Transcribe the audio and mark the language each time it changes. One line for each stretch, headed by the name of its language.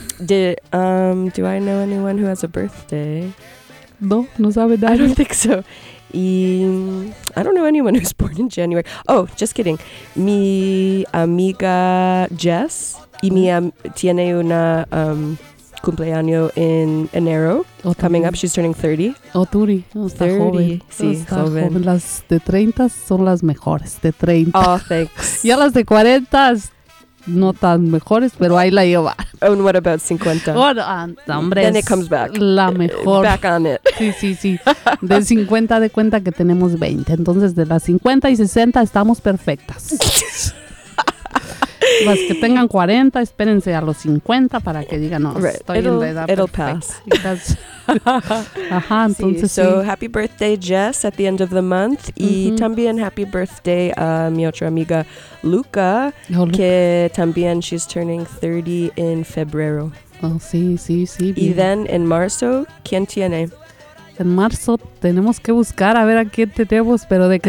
English: Do I know anyone who has a birthday?
Spanish: No, no sabe nada.
English: I don't think so. I don't know anyone who's born in January. Oh, just kidding.
Spanish: Mi amiga Jess y tiene una cumpleaños en enero. Oturi.
English: Coming up, she's turning 30.
Spanish: Oturi. Está 30. Joven. Sí, está joven. Joven. Las de 30 son las mejores, de 30.
English: Oh, thanks.
Spanish: Ya las de 40 no tan mejores, pero ahí la lleva.
English: And what about 50?
Spanish: Oh, hombre,
English: then it comes back.
Spanish: La mejor.
English: Back on it.
Spanish: Sí, sí, sí. De 50 de cuenta que tenemos 20. Entonces, de las 50 y 60 estamos perfectas. Las que tengan 40, espérense a los 50 para que digan, no,
English: right.
Spanish: Estoy en la edad
English: it'll
Spanish: perfecta.
English: It'll pass.
Spanish: Ajá, entonces sí.
English: So, happy birthday, Jess, at the end of the month.
Spanish: Mm-hmm. Y también
English: happy birthday
Spanish: a mi otra amiga, Luca, que también
English: she's turning 30 in
Spanish: febrero. Oh, sí, sí, sí. Bien. Y
English: then,
Spanish: en marzo, ¿quién tiene? En marzo tenemos que buscar a ver a quién tenemos, pero de que